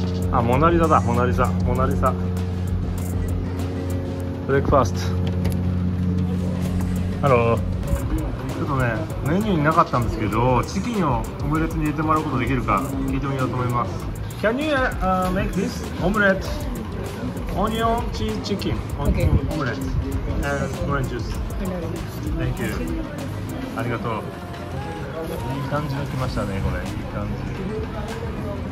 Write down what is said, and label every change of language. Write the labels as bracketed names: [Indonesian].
[Japanese] あ、モナリザだ、モナリザ、モナリザ。ブレックファースト。ハロー。ちょっとね、メニューになかったんですけど、チキンをオムレツに入れてもらうことできるか聞いてみようと思います。 [English] Can you make this omelette? Onion, cheese, chicken, omelette, and orange juice. Thank you. [Japanese] ありがとう。いい感じが来ましたね、これ。いい感じ。